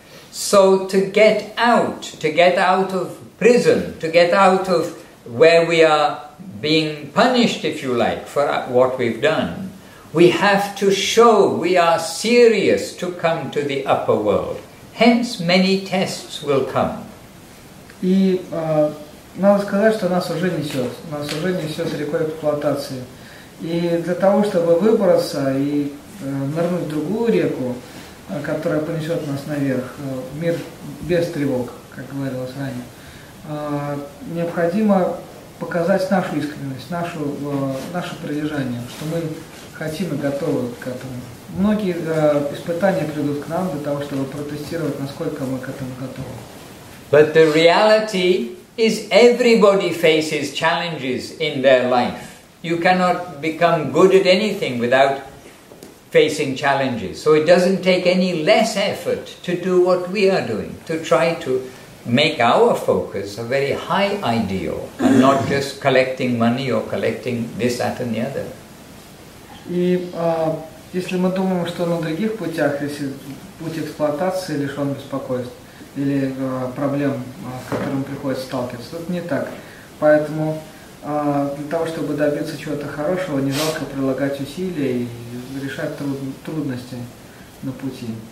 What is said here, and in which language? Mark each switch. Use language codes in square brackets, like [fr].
[en] So to get out of prison, to get out of where we are being punished, if you like, for what we've done, we have to show we are serious to come to the upper world. Hence many tests will come. [ru] И надо сказать, что нас уже несет рекой эксплуатации. И для того, чтобы выбраться и нырнуть в другую реку, которая понесет нас наверх, в мир без тревог, как говорилось ранее, необходимо показать нашу искренность, наше прилежание, что мы хотим и готовы к этому. Многие испытания придут к нам для того, чтобы протестировать, насколько мы к этому готовы. [en] But the reality is everybody faces challenges in their life. You cannot become good at anything without facing challenges. So it doesn't take any less effort to do what we are doing, to try to make our focus a very high ideal and not just collecting money or collecting this, that and the other. [ru] И если мы думаем, что на других путях, если путь эксплуатации лишен беспокойств или проблем, с которыми приходится сталкиваться, то это не так. Поэтому для того, чтобы добиться чего-то хорошего, не жалко прилагать усилия и решать трудности на пути.